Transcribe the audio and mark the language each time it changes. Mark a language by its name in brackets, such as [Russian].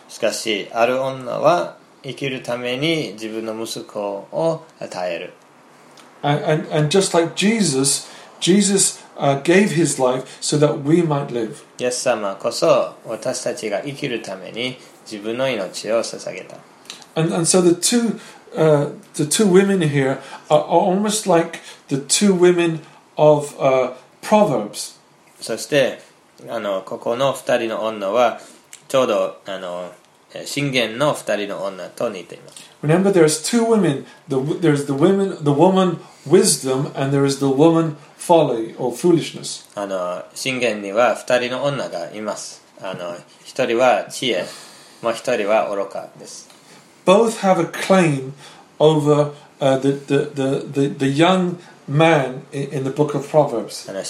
[Japanese] しかし、ある女は生きるために自分の息子を与える。 [English] And just like Jesus, Jesus gave his life so that we might live. [Japanese] イエス様こそ私たちが生きるために自分の命を捧げた。 [English] And so the two women here are almost like the two women of Proverbs. [Japanese] そしてここの二人の女はちょうど神言の二人の女と似ています。 [English] Remember, there's two women. There's the woman wisdom, and there is the woman folly or foolishness. [Japanese] 神言には二人の女がいます。一人は知恵、もう一人は愚かです。 [English] Both have a claim over the young man in the book of Proverbs.